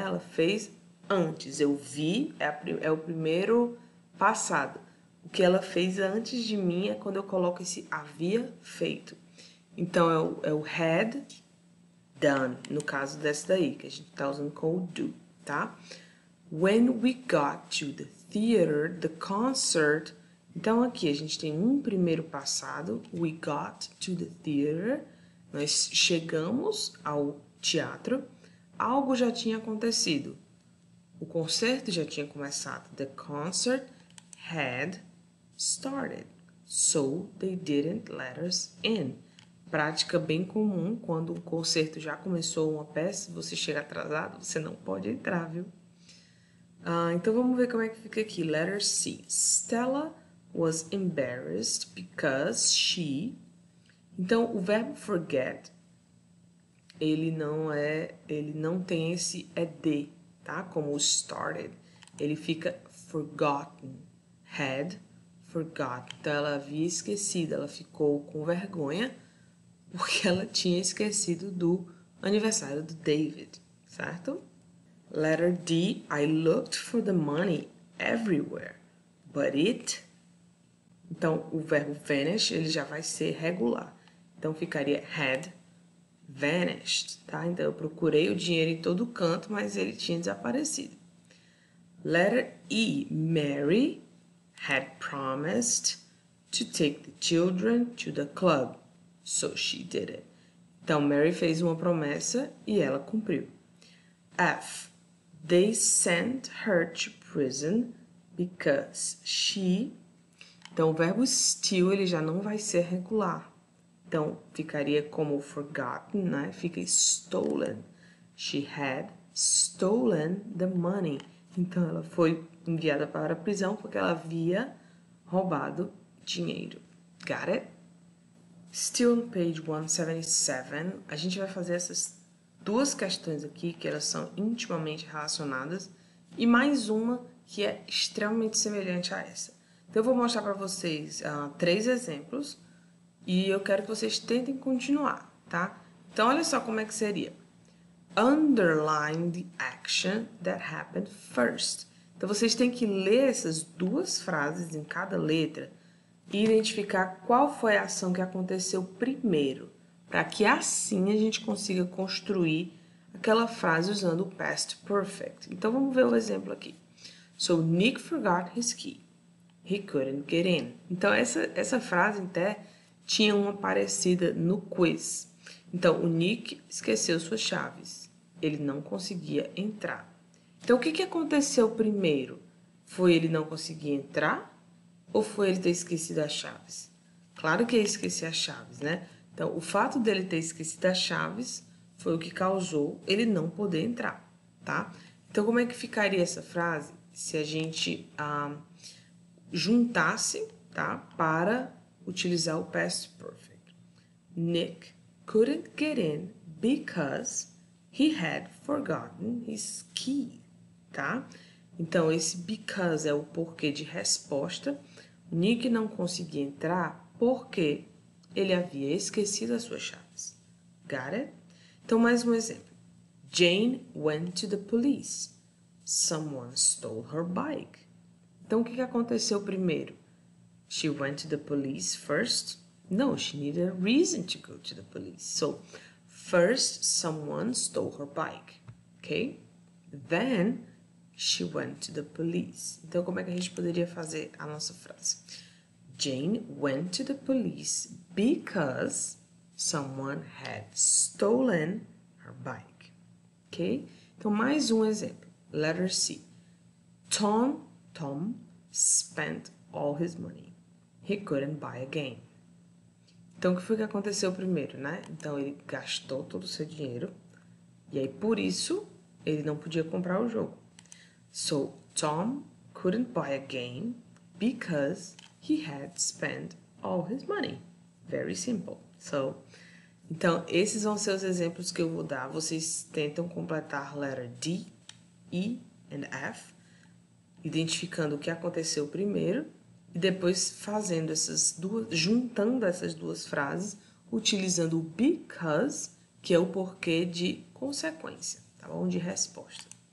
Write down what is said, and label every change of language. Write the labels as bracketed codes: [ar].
[pt] Ela fez antes, eu vi, é o primeiro passado. O que ela fez antes de mim é quando eu coloco esse havia feito. Então, é o had done, no caso dessa daí, que a gente tá usando com o do, tá? [en] When we got to the theater, the concert... [pt] Então, aqui a gente tem um primeiro passado, [en] we got to the theater, [pt] nós chegamos ao teatro, algo já tinha acontecido, o concerto já tinha começado, [en] the concert had started, so they didn't let us in. [pt] Prática bem comum, quando o concerto já começou uma peça, você chega atrasado, você não pode entrar, viu? Então, vamos ver como é que fica aqui, letter C, Stella... [en] was embarrassed because she... [pt] Então, o verbo forget, ele não tem esse ed, tá? Como o started. Ele fica forgotten. Had Forgot. Então, ela havia esquecido, ela ficou com vergonha porque ela tinha esquecido do aniversário do David, certo? [en] Letter D. I looked for the money everywhere, but it. [pt] Então, o verbo vanish, ele já vai ser regular. Então, ficaria had vanished, tá? Então, eu procurei o dinheiro em todo canto, mas ele tinha desaparecido. [en] Letter E. Mary had promised to take the children to the club, so she did it. [pt] Então, Mary fez uma promessa e ela cumpriu. [en] F. They sent her to prison because she. [pt] Então, o verbo still, ele já não vai ser regular. Então, ficaria como forgotten, né? Fica stolen. [en] She had stolen the money. [pt] Então, ela foi enviada para a prisão porque ela havia roubado dinheiro. [en] Got it? Still on page 177, [pt] a gente vai fazer essas duas questões aqui, que elas são intimamente relacionadas, e mais uma que é extremamente semelhante a essa. Então, eu vou mostrar para vocês três exemplos e eu quero que vocês tentem continuar, tá? Então, olha só como é que seria. [en] Underline the action that happened first. [pt] Então, vocês têm que ler essas duas frases em cada letra e identificar qual foi a ação que aconteceu primeiro, para que assim a gente consiga construir aquela frase usando o past perfect. Então, vamos ver o exemplo aqui. [en] So, Nick forgot his key. He couldn't get in. [pt] Então, essa frase até tinha uma parecida no quiz. Então, o Nick esqueceu suas chaves. Ele não conseguia entrar. Então, o que que aconteceu primeiro? Foi ele não conseguir entrar ou foi ele ter esquecido as chaves? Claro que ele esqueceu as chaves, né? Então, o fato dele ter esquecido as chaves foi o que causou ele não poder entrar, tá? Então, como é que ficaria essa frase se a gente juntasse, tá? Para utilizar o past perfect. [en] Nick couldn't get in because he had forgotten his key. [pt] Tá? Então, esse because é o porquê de resposta. Nick não conseguia entrar porque ele havia esquecido as suas chaves. [en] Got it? [pt] Então, mais um exemplo. [en] Jane went to the police. Someone stole her bike. [pt] Então, o que aconteceu primeiro? [en] She went to the police first? No, she needed a reason to go to the police. So, first, someone stole her bike. Okay? Then, she went to the police. [pt] Então, como é que a gente poderia fazer a nossa frase? [en] Jane went to the police because someone had stolen her bike. Ok? [pt] Então, mais um exemplo. [en] Letter C. Tom spent all his money. He couldn't buy a game. [pt] Então, o que foi que aconteceu primeiro, né? Então, ele gastou todo o seu dinheiro e aí, por isso, ele não podia comprar o jogo. [en] So, Tom couldn't buy a game because he had spent all his money. Very simple. [pt] So, então, esses são os seus exemplos que eu vou dar. Vocês tentam completar [en] letter D, E and F, [pt] identificando o que aconteceu primeiro e depois fazendo essas duas, juntando essas duas frases, utilizando o because, que é o porquê de consequência, tá bom? De resposta.